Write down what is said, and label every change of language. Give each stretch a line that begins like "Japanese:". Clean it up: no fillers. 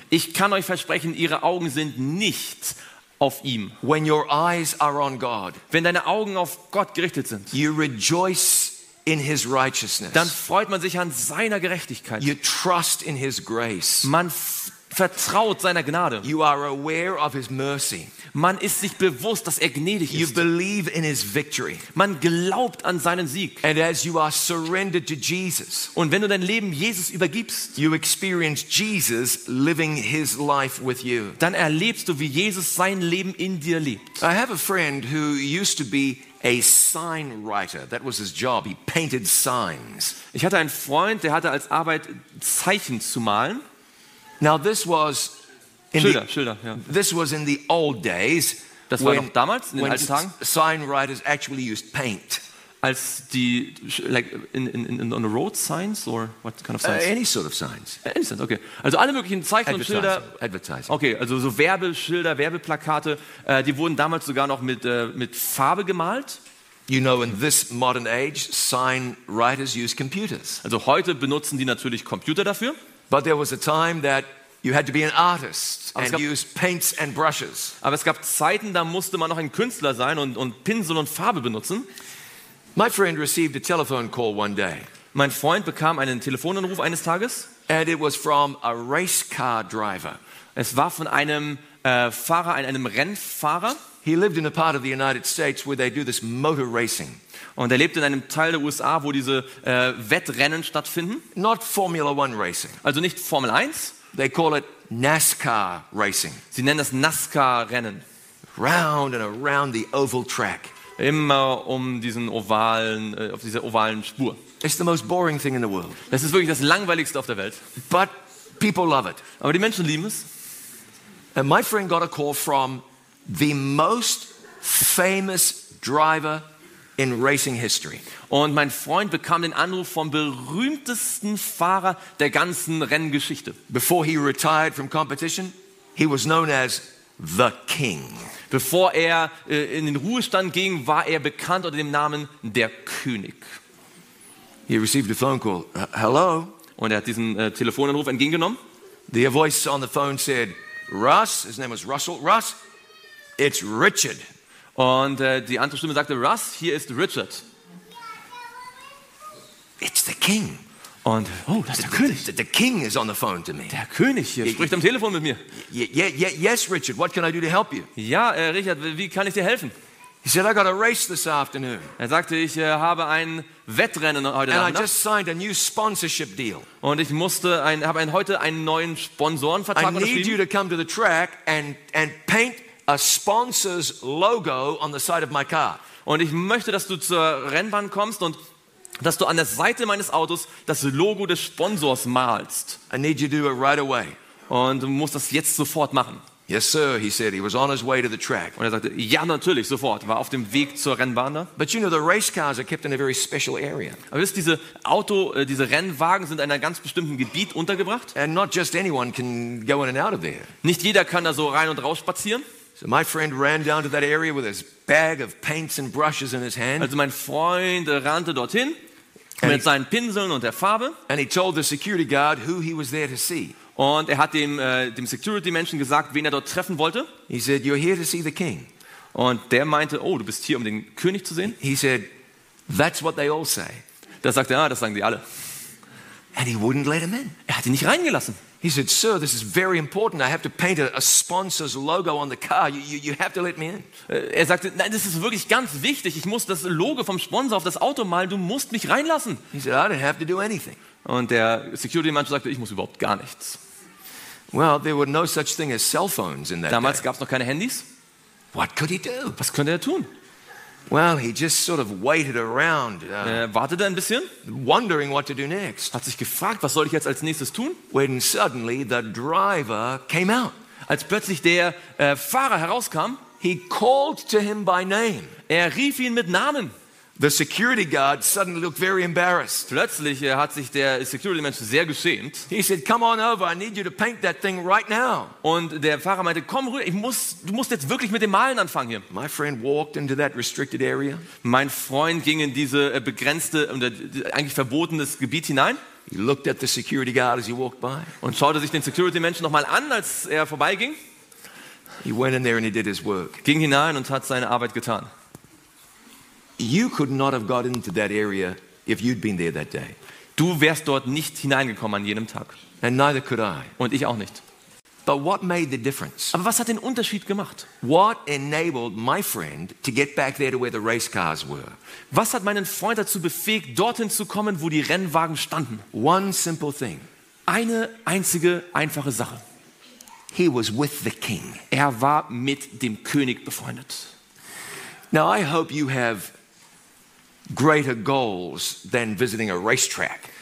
German: Ich kann euch versprechen, ihre Augen sind nicht auf ihm.
English: When your eyes are on God,
German: wenn deine Augen auf Gott gerichtet sind,
English: you rejoice in his righteousness.
German: Dann freut man sich an seiner Gerechtigkeit.
English: You trust in his grace.
German: Man vertraut seiner Gnade.
English: You are aware of his mercy.
German: Man ist sich bewusst, dass er gnädig ist.
English: You believe in his victory.
German: Man glaubt an seinen Sieg.
English: And as you are surrendered to Jesus,
German: und wenn du dein Leben Jesus übergibst,
English: you experience Jesus living his life with you.
German: Dann erlebst du, wie Jesus sein Leben in dir lebt.
English: I have a friend who used to be a sign writer. That was his job. He painted signs.
German: Ich hatte einen Freund, der hatte als Arbeit Zeichen zu malen.
English: Now this was
German: in Schilder, the, Schilder, ja.
English: This was in the old days.
German: Das war noch damals, in den alten Tagen.
English: Sign writers actually used paint.
German: Als die,
English: like in on the road signs or what kind of signs? Any sort of signs. Any sense, okay.
German: Also alle möglichen Zeichen und Schilder.
English: Advertising.
German: Okay, also so Werbeschilder, Werbeplakate, die wurden damals sogar noch mit Farbe gemalt.
English: You know, in this modern age, sign writers use computers.
German: Also heute benutzen die natürlich Computer dafür.
English: But there was a time that you had to be an artist and use paints and brushes.
German: Aber es gab Zeiten, da musste man noch ein Künstler sein und Pinsel und Farbe benutzen.
English: My friend received a telephone call one day.
German: Mein Freund bekam einen Telefonanruf eines Tages.
English: And it was from a race car driver.
German: Es war von einem Fahrer, einem Rennfahrer.
English: He lived in a part of the United States where they do this motor racing.
German: Und er lebt in einem Teil der USA, wo diese Wettrennen stattfinden.
English: Not Formula One racing.
German: Also nicht Formel 1.
English: They call it NASCAR racing.
German: Sie nennen das NASCAR-Rennen.
English: Round and around the oval track.
German: Immer um diesen ovalen, auf dieser ovalen Spur.
English: It's the most boring thing in the world.
German: Das ist wirklich das Langweiligste auf der Welt.
English: But people love it.
German: Aber die Menschen lieben es.
English: And my friend got a call from the most famous driver in racing history.
German: Und mein Freund bekam den Anruf vom berühmtesten Fahrer der ganzen Renngeschichte.
English: Before he retired from competition, he was known as the King.
German: Bevor er in den Ruhestand ging, war er bekannt unter dem Namen der König.
English: He received a phone call. Hello.
German: Und er hat diesen Telefonanruf entgegengenommen.
English: The voice on the phone said, Russ, his name was Russell. Russ, It's Richard.
German: Und die andere Stimme sagte, Russ, hier ist Richard.
English: It's the king.
German: Und, oh, das ist der König.
English: The king is on the phone to me.
German: Der König hier spricht am Telefon mit mir.
English: Yes, Richard, what can I do to help you?
German: Ja, Richard, wie kann ich dir helfen?
English: He said, I got a race this afternoon.
German: Er sagte, ich habe ein Wettrennen heute Abend.
English: And I just signed a new sponsorship deal.
German: Und ich musste heute einen neuen Sponsorenvertrag unterschrieben.
English: I need you to come to the track and paint a sponsor's logo on the side of my car.
German: Und ich möchte, dass du zur Rennbahn kommst und dass du an der Seite meines Autos das Logo des Sponsors malst.
English: I need you to do it right away.
German: Und du musst das jetzt sofort machen.
English: Yes, sir, he said. He was on his way to the track.
German: Und er sagte, ja, natürlich, sofort. War auf dem Weg zur Rennbahn da.
English: But you know, the race cars are kept in a very special area.
German: Aber wisst, diese Rennwagen sind in einem ganz bestimmten Gebiet untergebracht.
English: And not just anyone can go in and out of there.
German: Nicht jeder kann da so rein und raus spazieren.
English: So my friend ran down to that area with his bag of paints and brushes in his hand.
German: Also mein Freund rannte dorthin mit seinen Pinseln und der Farbe.
English: And he told the security guard who he was there to see.
German: Und er hat dem Security-Menschen gesagt, wen er dort treffen wollte.
English: He said, you're here to see the king.
German: Und der meinte, oh, du bist hier, um den König zu sehen.
English: He said, that's what they all say.
German: Da sagte er, ah, das sagen die alle.
English: And he wouldn't let him in.
German: Er hat ihn nicht reingelassen.
English: He said, sir, this is very important. I have to paint a sponsor's logo on the car. You have to let me in.
German: Er sagte, nein, das ist wirklich ganz wichtig. Ich muss das Logo vom Sponsor auf das Auto malen. Du musst mich reinlassen.
English: He said, I don't have to do anything.
German: Und der Security-Mann sagte, ich muss überhaupt gar nichts.
English: Well, there were no such thing as cell phones in that day.
German: Damals gab's noch keine Handys.
English: What could he do?
German: Was könnte er tun?
English: Well, he just sort of waited around.
German: Wartete ein bisschen.
English: Wondering what to do next.
German: Hat sich gefragt, was soll ich jetzt als nächstes tun?
English: When suddenly the driver came out.
German: Als plötzlich der Fahrer herauskam.
English: He called to him by name.
German: Er rief ihn mit Namen.
English: The security guard suddenly looked very embarrassed.
German: Plötzlich hat sich der Security-Mensch sehr geschämt.
English: He said, "Come on over. I need you to paint that thing right now."
German: Und der Fahrer meinte, komm rüber. Du musst jetzt wirklich mit dem Malen anfangen hier.
English: My friend walked into that restricted area.
German: Mein Freund ging in diese begrenzte und eigentlich verbotenes Gebiet hinein.
English: He looked at the security guard as he walked by.
German: Und schaute sich den Security-Menschen nochmal an, als er vorbeiging.
English: He went in there and he did his work.
German: Ging hinein und hat seine Arbeit getan.
English: You could not have got into that area if you'd been there that day.
German: Du wärst dort nicht hineingekommen an jenem Tag.
English: And neither could I.
German: Und ich auch nicht.
English: But what made the difference?
German: Aber was hat den Unterschied gemacht?
English: What enabled my friend to get back there to where the race cars were?
German: Was hat meinen Freund dazu befähigt, dorthin zu kommen, wo die Rennwagen standen?
English: One simple thing.
German: Eine einzige einfache Sache.
English: He was with the king.
German: Er war mit dem König befreundet.
English: Now I hope you have greater goals than visiting a racetrack.